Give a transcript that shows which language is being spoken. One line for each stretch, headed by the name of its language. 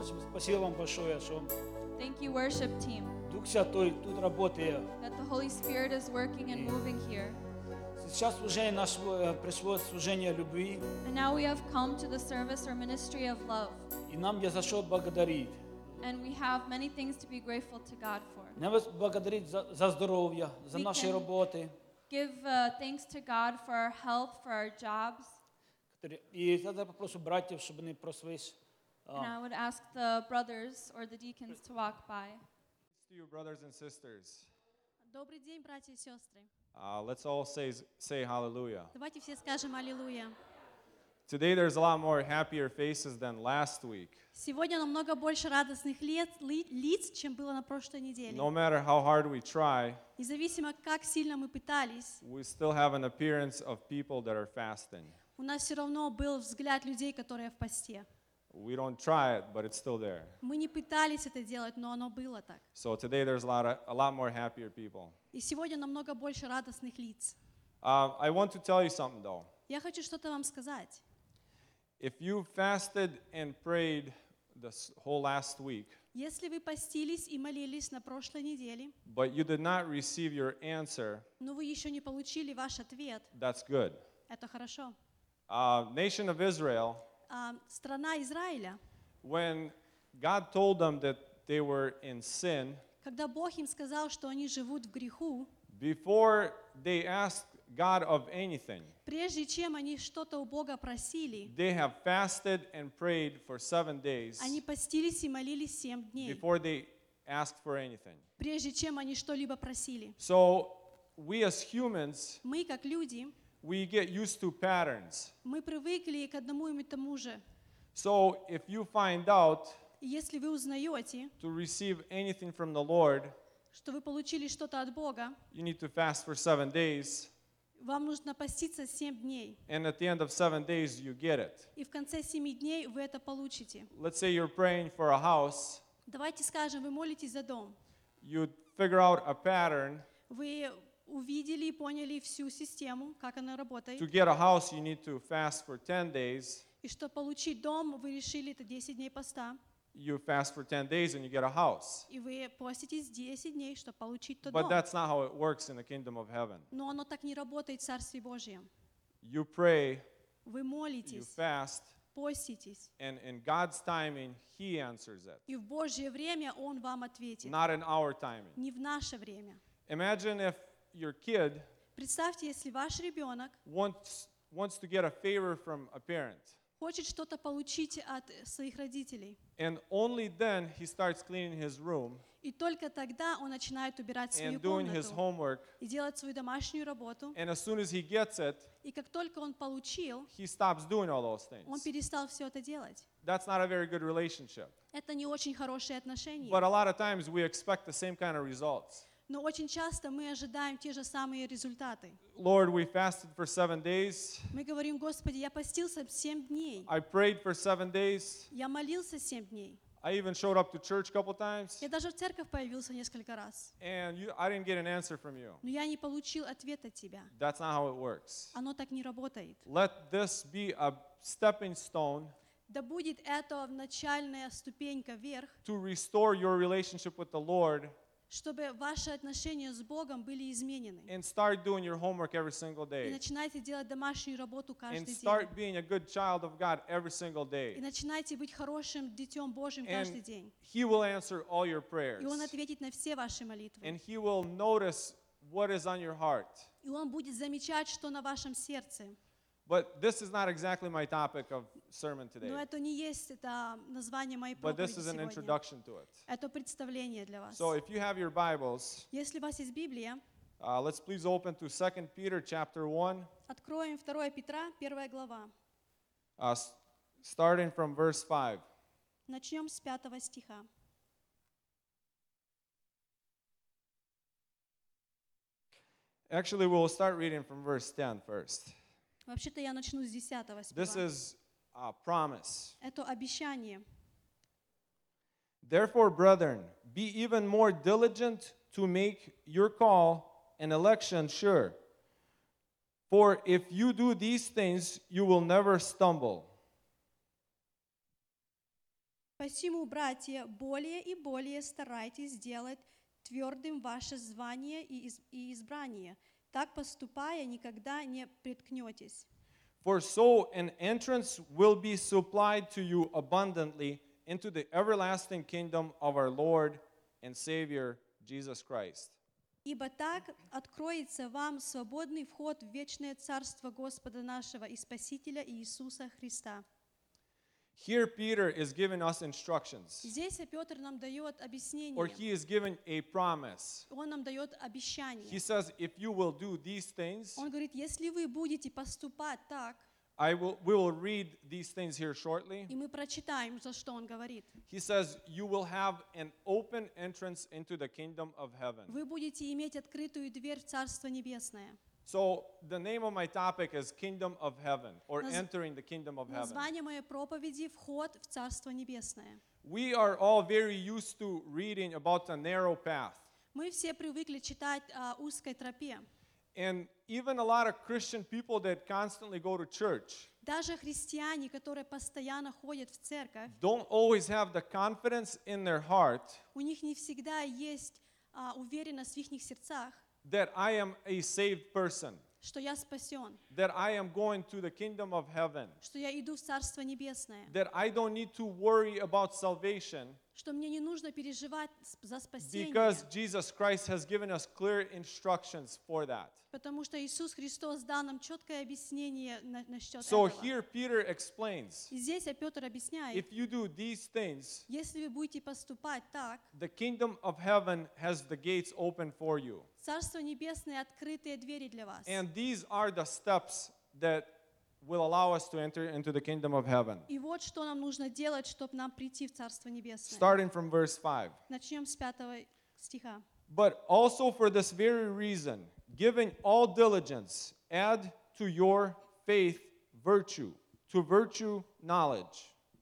Russian: Спасибо вам большое, что
English: Thank you, worship team.
Russian: Дух Святой тут работает.
English: That the Holy Spirit is working and moving here.
Russian: Сейчас служение наше пришло служение любви.
English: And now we have come to the service or ministry of love.
Russian: И нам есть за что благодарить.
English: And we have many things to be grateful to God for.
Russian: Нам есть благодарить за здоровье, за наши работы.
English: Give thanks to God for our health, for our jobs.
Russian: И я попрошу братьев, чтобы они просвоились.
English: And I would ask the brothers or the deacons to walk by. you, brothers and sisters.
Russian: Добрый день, братья и сестры.
English: Let's all say hallelujah.
Russian: Давайте все скажем аллилуйя.
English: Today there's a lot more happier faces than last week.
Russian: Сегодня намного больше радостных лиц, чем было на прошлой неделе.
English: No matter how hard we try,
Russian: независимо как сильно мы пытались,
English: we still have an appearance of people that are fasting.
Russian: У нас все равно был взгляд людей, которые в посте.
English: We don't try it, but it's still there.
Russian: Мы не пытались это делать, но оно было так.
English: So today there's a lot more happier people.
Russian: И сегодня намного больше радостных лиц.
English: I want to tell you something though.
Russian: Я хочу что-то вам сказать.
English: If you fasted and prayed this whole last week,
Russian: если вы постились и молились на прошлой неделе,
English: but you did not receive your answer,
Russian: но вы еще не получили ваш ответ,
English: that's good.
Russian: Это хорошо.
English: Nation of Israel,
Russian: страна Израиля,
English: when God told them that they were in sin,
Russian: когда Бог им сказал, что они живут в греху,
English: before they asked God of anything,
Russian: прежде чем они что-то у Бога просили,
English: they have fasted and prayed for 7 days,
Russian: они постились и молились 7 дней,
English: before they asked for anything,
Russian: прежде чем они что-либо просили.
English: So we as humans,
Russian: мы как люди,
English: we get used to patterns.
Russian: Мы привыкли к одному и тому же.
English: So if you find out,
Russian: если вы узнаете,
English: to receive anything from the Lord,
Russian: что вы получили что-то от Бога,
English: you need to fast for 7 days.
Russian: Вам нужно поститься 7 дней.
English: And at the end of 7 days, you get it.
Russian: И в конце 7 дней вы это получите.
English: Let's say you're praying for a house.
Russian: Давайте скажем, вы молитесь за дом.
English: You figure out a pattern.
Russian: Вы увидели и поняли всю систему, как она работает.
English: To get a house, you need to fast for 10 days.
Russian: И чтобы получить дом, вы решили это 10 дней поста.
English: You fast for 10 days and you get a house.
Russian: И вы поститесь 10 дней, чтобы получить тот дом.
English: But that's not how it works in the kingdom of heaven.
Russian: Но оно так не работает в Царстве Божьем.
English: You pray.
Russian: Вы молитесь.
English: You fast.
Russian: Поститесь.
English: And in God's timing, He answers it.
Russian: И в Божье время Он вам ответит.
English: Not in our timing.
Russian: Не в наше время.
English: Imagine if your kid,
Russian: представьте, если ваш ребенок,
English: wants to get a favor from a parent,
Russian: хочет что-то получить от своих родителей,
English: and only then he starts cleaning his room,
Russian: и только тогда он начинает убирать свою комнату,
English: and doing his homework,
Russian: и делать свою домашнюю работу,
English: and as soon as he gets it,
Russian: и как только он получил,
English: he stops doing all those things,
Russian: он перестал все это делать.
English: That's not a very good relationship.
Russian: Это не очень хорошие отношения.
English: But a lot of times we expect the same kind of results.
Russian: Но очень часто мы ожидаем те же самые результаты.
English: Lord, we fasted for 7 days.
Russian: Мы говорим, Господи, я постился 7 дней.
English: I prayed for 7 days.
Russian: Я молился 7 дней.
English: I even showed up to church a couple times.
Russian: Я даже в церковь появился несколько раз.
English: And I didn't get an answer from you.
Russian: Но я не получил ответ от тебя.
English: That's not how it works.
Russian: Оно так не работает.
English: Let this be a stepping stone.
Russian: Да будет это начальная ступенька вверх.
English: To restore your relationship with the Lord.
Russian: Чтобы ваши отношения с Богом были изменены.
English: And start doing your homework every single day.
Russian: И начинайте делать домашнюю работу каждый день.
English: And start being a good child of God every single day.
Russian: И начинайте быть хорошим детем Божьим каждый день.
English: And He will answer all your prayers.
Russian: И Он ответит на все ваши молитвы.
English: And He will notice what is on your heart.
Russian: И Он будет замечать, что на вашем сердце.
English: But this is not exactly my topic of sermon today.
Russian: Но это не есть это название моей проповеди.
English: But this is an introduction to it.
Russian: Это представление для вас.
English: So if you have your Bibles,
Russian: если у вас есть Библия,
English: let's please open to 2 Peter chapter 1.
Russian: Откроем 2 Петра, 1 глава.
English: Starting from verse 5.
Russian: Начнем с 5 стиха.
English: Actually, we'll start reading from verse 10 first.
Russian: Вообще-то я начну с 10 стиха.
English: This is a promise.
Russian: Это обещание.
English: Therefore, brethren, be even more diligent to make your call and election sure. For if you do these things, you will never stumble.
Russian: Посему, братья, более и более старайтесь делать твердым ваше звание и избрание. Так поступая, никогда не преткнетесь.
English: For so an entrance will be supplied to you abundantly into the everlasting kingdom of our Lord and Savior Jesus Christ.
Russian: Ибо так откроется вам свободный вход в вечное царство Господа нашего и Спасителя Иисуса Христа.
English: Here Peter is giving us instructions.
Russian: Здесь Петр нам дает объяснение.
English: Or he is giving a promise.
Russian: Он нам дает обещание.
English: He says, if you will do these things.
Russian: Он говорит, если вы будете поступать так.
English: We will read these things here shortly.
Russian: И мы прочитаем, за что он говорит.
English: He says, you will have an open entrance into the kingdom of heaven.
Russian: Вы будете иметь открытую дверь в Царство Небесное.
English: So the name of my topic is Kingdom of Heaven or Entering the Kingdom of Heaven.
Russian: Название моей проповеди – Вход в Царство Небесное.
English: We are all very used to reading about the narrow path.
Russian: Мы все привыкли читать о узкой тропе.
English: And even a lot of Christian people that constantly go to church.
Russian: Даже христиане, которые постоянно ходят в церковь.
English: Don't always have the confidence in their heart.
Russian: У них не всегда есть уверенность в их сердцах.
English: That I am a saved person.
Russian: Что я спасен.
English: That I am going to the kingdom of heaven.
Russian: Что я иду в Царство Небесное.
English: That I don't need to worry about salvation.
Russian: Что мне не нужно переживать за спасение.
English: Because Jesus Christ has given us clear instructions for that.
Russian: Потому что Иисус Христос дал нам четкое объяснение насчет этого.
English: So here Peter explains.
Russian: И здесь Петр объясняет.
English: If you do these things.
Russian: Если вы будете поступать так.
English: The kingdom of heaven has the gates open for you.
Russian: Царство Небесное открытые двери для вас.
English: And these are the steps that will allow us to enter into the kingdom of heaven.
Russian: И вот что нам нужно делать, чтобы нам прийти в Царство Небесное.
English: Starting from verse 5.
Russian: Начнем с пятого стиха.
English: But also for this very reason, giving all diligence, add to your faith virtue, to virtue knowledge.